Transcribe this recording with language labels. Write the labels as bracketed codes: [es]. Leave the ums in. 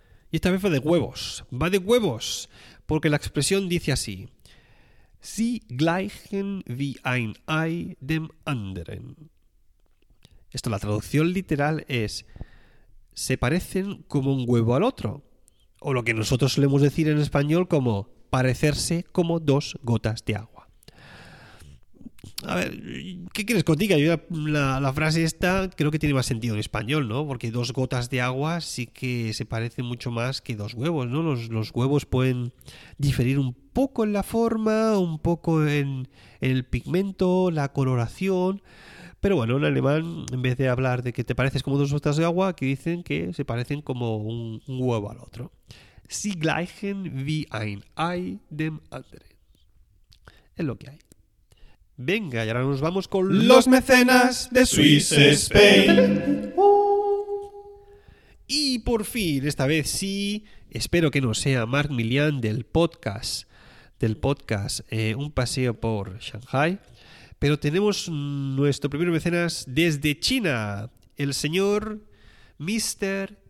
[es] Y esta vez va de huevos, va de huevos, porque la expresión dice así: [de] Sie gleichen wie ein Ei dem anderen. [es] Esto, la traducción literal es se parecen como un huevo al otro. O lo que nosotros solemos decir en español como parecerse como dos gotas de agua. A ver, ¿qué quieres contigo? Yo la, la frase esta creo que tiene más sentido en español, ¿no? Porque dos gotas de agua sí que se parecen mucho más que dos huevos, ¿no? Los, los huevos pueden diferir un poco en la forma, un poco en, en el pigmento, la coloración. Pero bueno, en alemán, en vez de hablar de que te pareces como dos gotas de agua, aquí dicen que se parecen como un, un huevo al otro. [de] Sie gleichen wie ein Ei dem anderen. [es] Es lo que hay. Venga, y ahora nos vamos con Los mecenas de Swiss Spain. Y por fin, esta vez sí, espero que no sea Marc Milian del podcast, del podcast eh, Un paseo por Shanghai, pero tenemos nuestro primer mecenas desde China, el señor Mr.